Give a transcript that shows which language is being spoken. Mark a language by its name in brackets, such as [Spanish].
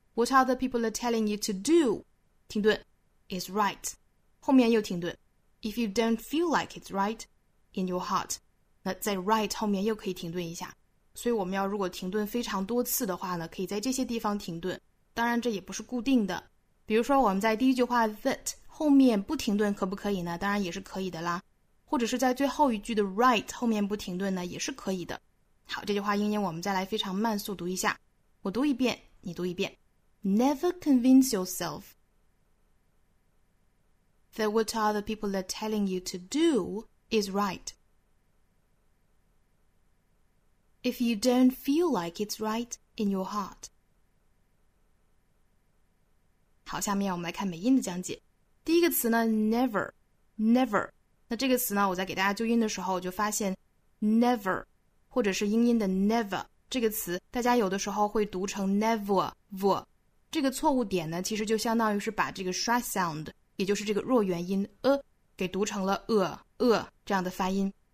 [English] What other people are telling you to do [Chinese] 停顿 is right, 后面又停顿 [English] If you don't feel like it's right in your heart, [Chinese] 那在 right 后面又可以停顿一下，所以我们要如果停顿非常多次的话呢，可以在这些地方停顿，当然这也不是固定的，比如说我们在第一句话 that 后面不停顿可不可以呢？当然也是可以的啦。或者是在最后一句的 right 后面不停顿呢，也是可以的。好，这句话英音我们再来非常慢速读一下。我读一遍，你读一遍。 [English] Never convince yourself that what other people are telling you to do is right. If you don't feel like it's right in your heart. [Chinese] 好，下面我们来看美音的讲解。第一个词呢 ,never, never。那这个词呢，我在给大家纠音的时候，我就发现 never 或者是英音的 never 这个词，大家有的时候会读成 never, ver。这个错误点呢，其实就相当于是把这个 shy sound， 也就是这个弱元音 给读成了这样的发音。